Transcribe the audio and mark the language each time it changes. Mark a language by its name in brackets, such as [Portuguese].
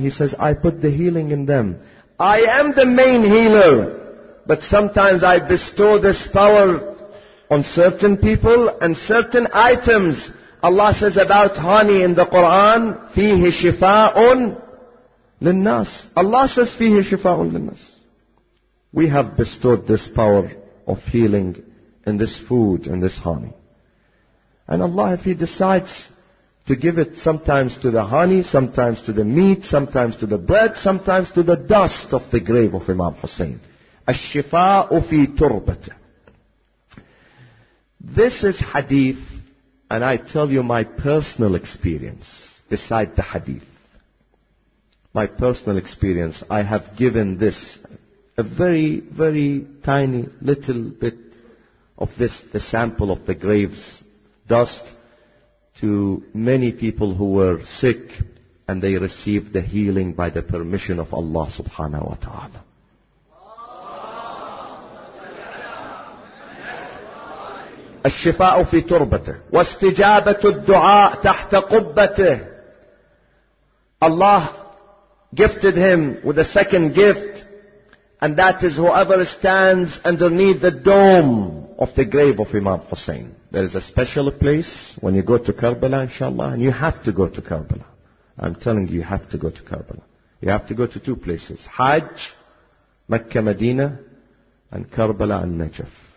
[English] He says, I put the healing in them. I am the main healer. But sometimes I bestow this power on certain people and certain items. Allah says about honey in the Quran, [Arabic] فيه شفاء للناس. [English] Allah says, [Arabic] فيه شفاء للناس. [English] We have bestowed this power of healing in this food, in this honey. And Allah, if He decides to give it sometimes to the honey, sometimes to the meat, sometimes to the bread, sometimes to the dust of the grave of Imam Hussein. [Arabic] الشفاء في تربته. [English] This is hadith, and I tell you my personal experience beside the hadith. my personal experience, I have given this, a very, very tiny little bit of this, the sample of the grave's dust, to many people who were sick, and they received the healing by the permission of Allah subhanahu wa ta'ala. [Arabic] الشفاء في تربته واستجابة الدعاء تحت قبته. [English] Allah gifted him with a second gift, and that is whoever stands underneath the dome of the grave of Imam Hussein. There is a special place when you go to Karbala, inshallah, and you have to go to Karbala. I'm telling you, you have to go to Karbala. You have to go to two places: Hajj, Mecca, Medina, and Karbala and Najaf.